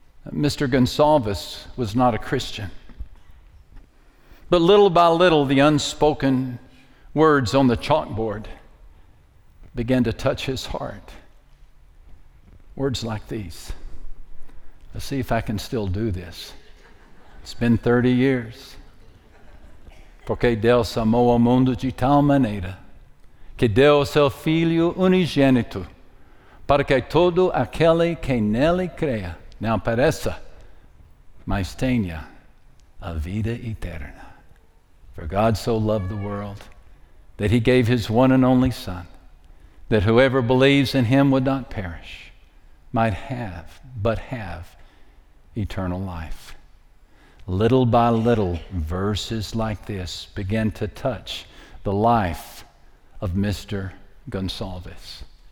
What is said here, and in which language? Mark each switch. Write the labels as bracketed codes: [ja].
[en] Mr. Gonçalves was not a Christian. But little by little, the unspoken words on the chalkboard began to touch his heart. Words like these. Let's see if I can still do this. It's been 30 years. [pt] Porque Deus amou o mundo de tal maneira que deu o seu filho unigênito para que todo aquele que nele creia não pereça, mas tenha a vida eterna. [en] For God so loved the world that he gave his one and only Son, that whoever believes in him would not perish, might have, but have eternal life. Little by little, verses like this began to touch the life of Mr. Gonçalves.